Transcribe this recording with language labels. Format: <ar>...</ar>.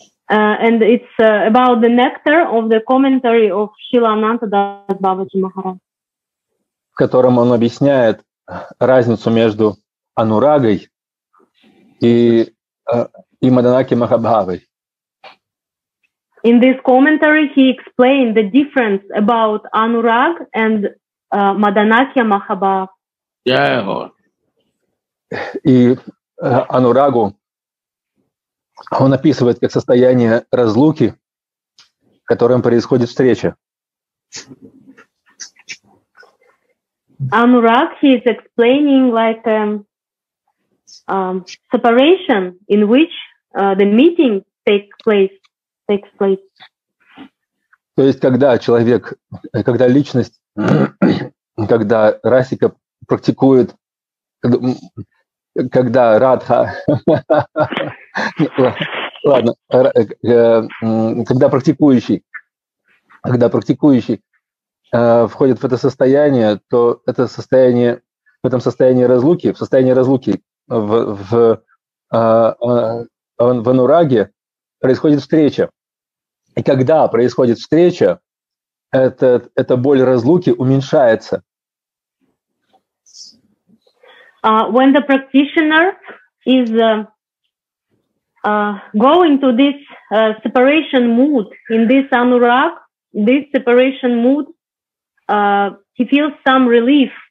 <en>And it's about the nectar of the commentary of Shila Anantadas Babaji Maharaj.</en> <ru>В котором он объясняет разницу между анурагой и маданаки махабхавой.</ru> <en>In this commentary he explained the difference about anurag and madanakya mahabhav. Yeah.</en> <ru>И анурагу он описывает как состояние разлуки, в котором происходит встреча.</ru> <en>Anurag, he is explaining like separation in which the meeting takes place.</en> <ru>То есть когда человек, когда личность, когда расика практикует, когда радха, ладно, когда практикующий. Входит в это состояние, то это состояние, в этом состоянии разлуки, в анураге происходит встреча. И когда происходит встреча, эта боль разлуки уменьшается.</ru> <en>When the practitioner is going to this separation mood, in this anurag, this separation mood, he feels some relief.</en>